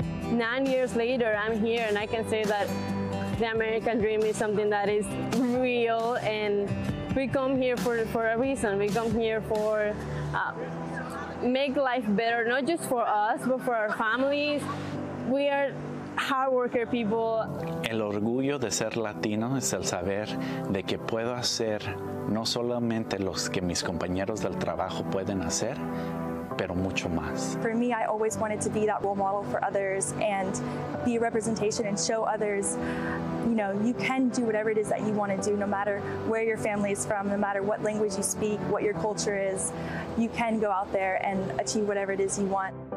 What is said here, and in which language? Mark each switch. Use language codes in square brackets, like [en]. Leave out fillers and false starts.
[en] 9 years later, I'm here, and I can say that the American dream is something that is real, and we come here for a reason. We come here for make life better, not just for us, but for our families. We are hard worker people. [es] El orgullo de ser Latino es el saber de que puedo hacer no solamente los que mis compañeros del trabajo pueden hacer, pero mucho más. [en] For me, I always wanted to be that role model for others and be a representation and show others, you can do whatever it is that you want to do, no matter where your family is from, no matter what language you speak, what your culture is, you can go out there and achieve whatever it is you want.